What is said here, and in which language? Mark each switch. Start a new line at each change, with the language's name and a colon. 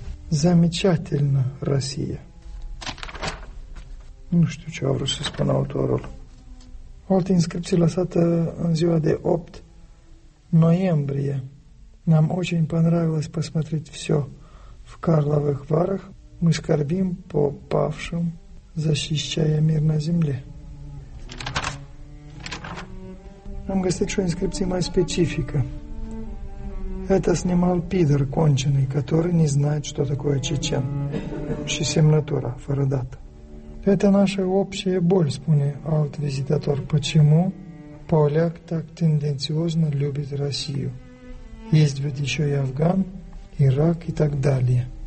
Russian: Замечательна Россия.
Romanian: Nu știu ce a vrut să spună autorul. O altă inscripție lăsată în ziua de 8 noiembrie.
Russian: Нам очень понравилось посмотреть все в Карловых Варах. Мы скорбим по павшим, защищая мир на земле.
Romanian: Am găsit și o inscripție mai specifică.
Russian: Это снимал пидор конченый, который не знает, что такое чечен.
Romanian: Și семнатура, fără дата.
Russian: Это наша общая боль,
Romanian: spune alt vizitator.
Russian: Почему поляк так тенденциозно любит Россию? Есть ведь еще и Афган, Ирак и так далее.